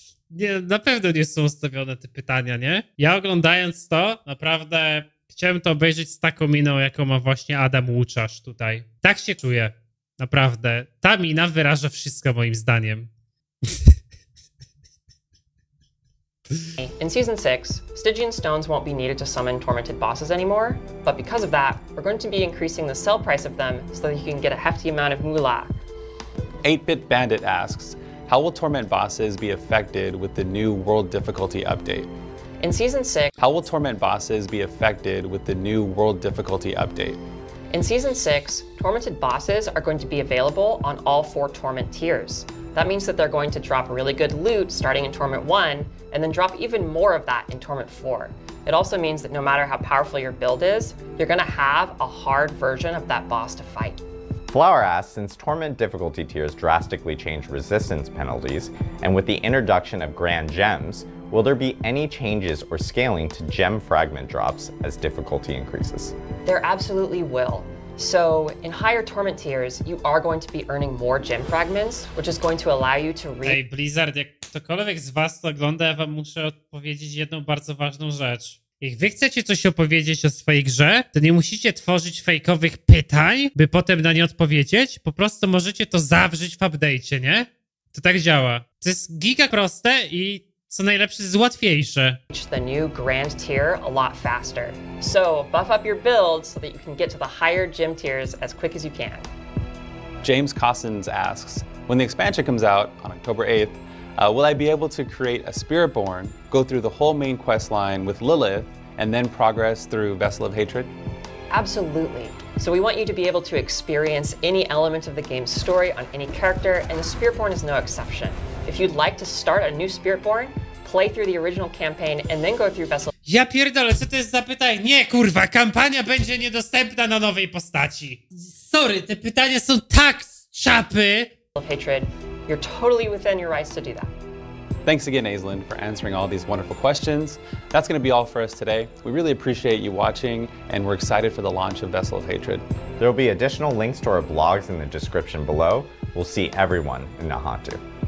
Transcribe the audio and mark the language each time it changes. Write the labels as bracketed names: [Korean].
[Polish] Nie, na pewno nie są ustawione te pytania, nie? Ja oglądając to, naprawdę chciałem to obejrzeć z taką miną, jaką ma właśnie Adam Łuczasz tutaj. Tak się czuję. Naprawdę. Ta mina wyraża wszystko moim zdaniem. [English] In Season 6, Stygian Stones won't be needed to summon tormented bosses anymore, but because of that, we're going to be increasing the sell price of them so that you can get a hefty amount of moolah. 8-Bit Bandit asks, how will torment bosses be affected with the new world difficulty update? In Season 6, how will torment bosses be affected with the new world difficulty update? In Season 6, tormented bosses are going to be available on all 4 torment tiers. That means that they're going to drop really good loot starting in Torment 1, and then drop even more of that in Torment 4. It also means that no matter how powerful your build is, you're going to have a hard version of that boss to fight. Flower asks, since Torment difficulty tiers drastically change resistance penalties, and with the introduction of Grand Gems, will there be any changes or scaling to gem fragment drops as difficulty increases? There absolutely will. So, in higher torment tiers, you are going to be earning more gem fragments, which is going to allow you to [Polish] Hey Blizzard, jak ktokolwiek z was to ogląda, ja wam muszę odpowiedzieć jedną bardzo ważną rzecz. Jak wy chcecie coś opowiedzieć o swojej grze, to nie musicie tworzyć fejkowych pytań, by potem na nie odpowiedzieć. Po prostu możecie to zawrzeć w update'cie, nie? To tak działa. To jest giga proste i... Co najlepsze jest łatwiejsze. [English] The new grand tier a lot faster. So buff up your build so that you can get to the higher gym tiers as quick as you can. James Cossens asks, when the expansion comes out on October 8th, will I be able to create a Spiritborn, go through the whole main quest line with Lilith, and then progress through Vessel of Hatred? Absolutely. So we want you to be able to experience any element of the game's story on any character, and the Spiritborn is no exception. If you'd like to start a new Spiritborn, play through the original campaign and then go through Vessel. [Polish] Ja pierdolę, co to jest za pytanie? Nie, kurwa, kampania będzie niedostępna na nowej postaci. Sorry, te pytania są tak z czapy. [English] Hatred, you're totally within your rights to do that. Thanks again, Aislinn, for answering all these wonderful questions. That's going to be all for us today. We really appreciate you watching, and we're excited for the launch of Vessel of Hatred. There will be additional links to our blogs in the description below. We'll see everyone in Nahantu.